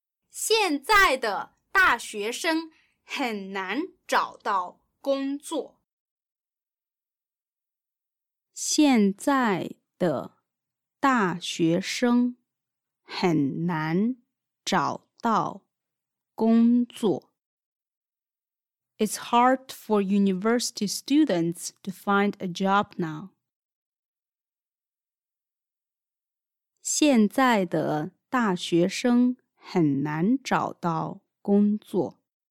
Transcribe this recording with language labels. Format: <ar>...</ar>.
<zh>现在的大学生很难找到工作。现在的大学生很难找到工作。</zh> <en>It's hard for university students to find a job now.</en> <zh>现在的大学生很难找到工作。</zh>